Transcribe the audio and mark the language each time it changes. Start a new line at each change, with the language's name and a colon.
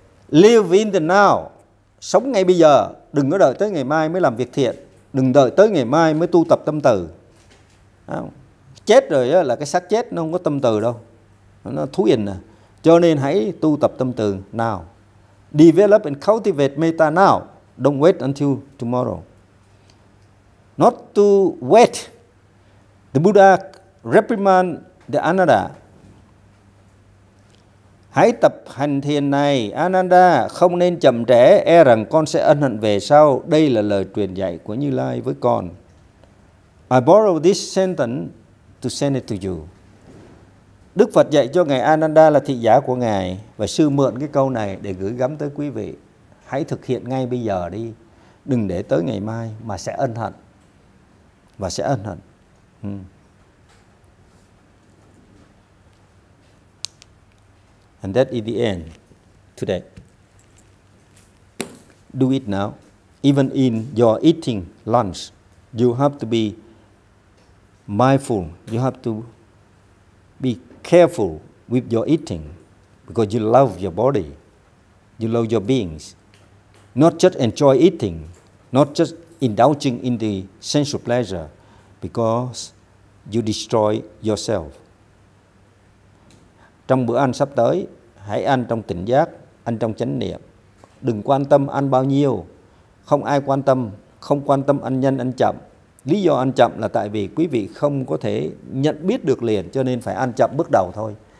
English: Live in the now,
Vietnamese: sống ngay bây giờ, đừng có đợi tới ngày mai mới làm việc thiện. Đừng đợi tới ngày mai mới tu tập tâm từ. Chết rồi đó, là cái xác chết, nó không có tâm từ đâu, nó thú hình à. Cho nên hãy tu tập tâm từ nào.
English: Develop and cultivate metta now. Don't wait until tomorrow. not to wait. The Buddha reprimand the Ananda.
Vietnamese: Hãy tập hành thiền này, Ananda, không nên chậm trễ, e rằng con sẽ ân hận về sau. Đây là lời truyền dạy của Như Lai với con.
English: I borrow this sentence to send it to you.
Vietnamese: Đức Phật dạy cho Ngài Ananda là thị giả của Ngài, và sư mượn cái câu này để gửi gắm tới quý vị. Hãy thực hiện ngay bây giờ đi, đừng để tới ngày mai mà sẽ ân hận. Và sẽ ân hận.
English: And that is the end today. Do it now. Even in your eating lunch, you have to be mindful. You have to be careful with your eating because you love your body. You love your beings. Not just enjoy eating, not just indulging in the sensual pleasure because you destroy yourself.
Vietnamese: Trong bữa ăn sắp tới, hãy ăn trong tỉnh giác, ăn trong chánh niệm. Đừng quan tâm ăn bao nhiêu. Không ai quan tâm, không quan tâm ăn nhanh, ăn chậm. Lý do ăn chậm là tại vì quý vị không có thể nhận biết được liền, cho nên phải ăn chậm bước đầu thôi.